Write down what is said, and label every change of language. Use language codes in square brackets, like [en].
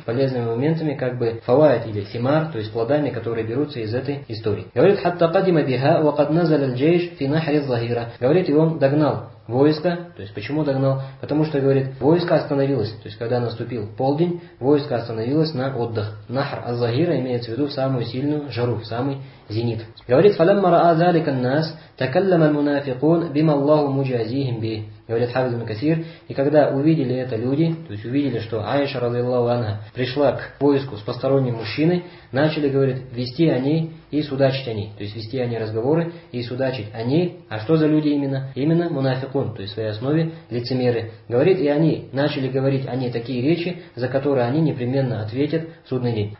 [ru] Полезными моментами, как бы фаваид или симар, то есть плодами, которые берутся из этой истории. Говорит, [ar] хатта кадима биха, ва кад назаля аль-джейш фи нахри аз-захира. [ru] Говорит, и он догнал войско, то есть почему догнал? Потому что, говорит, войско остановилось, то есть когда наступил полдень, войско остановилось на отдых. Нахр аз-Захира имеется в виду самую сильную жару, самый зенит. Говорит, [ar] فَلَمَّ رَأَى ذَلِكَ النَّاسَ تَكَلَّمَ الْمُنَافِقُونَ بِمَا اللَّهُ مُجَازِيهِمْ بِهِ. [ru] Говорит Хафиз ибн Касир, и когда увидели это люди, то есть увидели, что Аиша радиаллаху анха пришла к войску с посторонним мужчиной, начали, говорит, вести о ней и судачить о ней. То есть вести о ней разговоры и судачить о ней. А что за люди именно? Именно мунафикун, то есть в своей основе лицемеры. Говорит, и они начали говорить о ней такие речи, за которые они непременно ответят в судный день.